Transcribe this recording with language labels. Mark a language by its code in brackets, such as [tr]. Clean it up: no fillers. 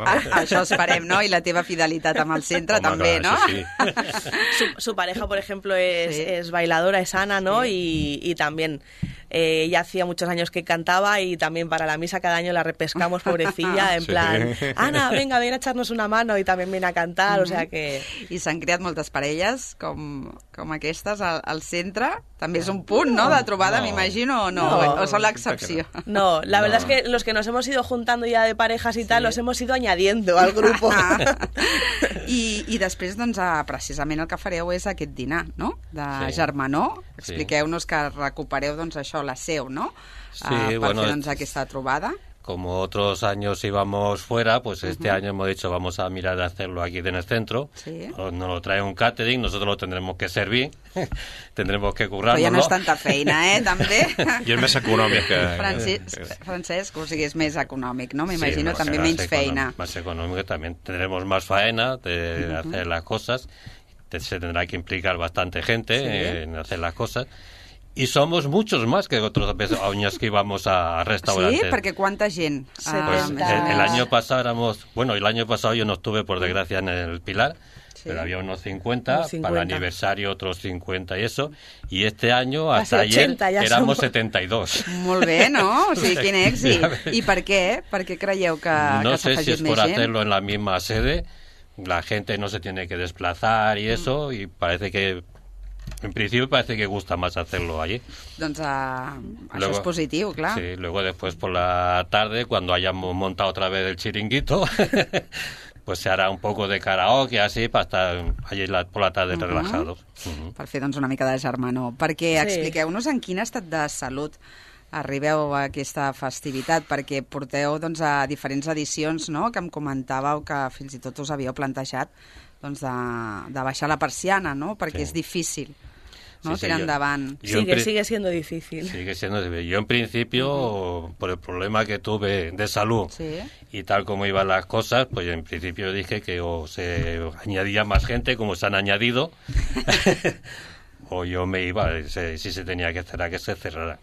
[ca] Això esperem, ¿no? Y la teva fidelitat amb el centre, home, també, clar, ¿no? Sí, sí. [es] Su pareja, por ejemplo, es bailadora, es Ana, ¿no? Sí. Y también... ella hacía muchos años que cantaba y también para la misa cada año la repescamos, pobrecilla, en plan, Ana, venga, ven a echarnos una mano, y también viene a cantar, o sea que... [ca] I s'han creat moltes parelles com aquestes al centre. També és un punt, no?, de trobada, no, m'imagino, o no? O són l'excepció? [es] No, la verdad es que los que nos hemos ido juntando ya de parejas y tal, sí, los hemos ido añadiendo al grupo. [ca] I després, doncs, precisament el que fareu és aquest dinar, no?, de, sí, germanor. Expliqueu-nos, sí, que recupereu, doncs, això, la seu, no?, sí, per, bueno, fer, doncs, aquesta trobada. [es] Como otros años íbamos fuera, pues este, uh-huh, año hemos dicho, vamos a mirar de hacerlo aquí en el centro. Sí. Nos lo trae un catering, nosotros lo tendremos que servir, tendremos que currarlo. [ca] Però ja no és tanta feina, també. I és més econòmic. Francesc, o sigui, és més econòmic, no? M'imagino, sí, també menys feina. [es] Más [ca] econòmic, també [es] tendremos más faena de, uh-huh, hacer las cosas. Se tendrá que implicar bastante gente, sí, en hacer las cosas. Y somos muchos más que otras veces que íbamos a restaurantes. [ca] Sí, perquè quanta gent? [es] Pues el año pasado éramos... Bueno, el año pasado yo no estuve, por desgracia, en el Pilar, sí. Pero había unos 50, para el aniversario otros 50 y eso. Y este año, hasta 80, ayer, ja éramos 72. [ca] Molt bé, ¿no? O sigui, quin èxit. ¿Y per qué? ¿Per qué creieu que s'ha fet més gent? [es] No sé si es por hacerlo en la misma sede. La gente no se tiene que desplazar y eso, y parece que... En principio parece que gusta más hacerlo allí. [ca] Doncs això és positiu, clar. [es] Sí, luego después por la tarde, cuando hayamos montado otra vez el chiringuito, pues se hará un poco de karaoke, así, para estar allí por la tarde relajados. [ca] Uh-huh. Per fer, doncs, una mica de germanor. Perquè sí. Expliqueu-nos en quin estat de salut arribeu a aquesta festivitat, perquè porteu doncs, a diferents edicions, no?, que em comentàveu que fins i tot us havíeu plantejat doncs de baixar la persiana, no? Perquè sí. És difícil, no? Sí, sí, tirar endavant. [es] Sigue siendo difícil. Sigue siendo difícil. Yo, en principio, por el problema que tuve de salud y tal como iban las cosas, pues en principio dije que o se añadía más gente, como se han añadido, o yo me iba, si se tenía que cerrar, que se cerrara.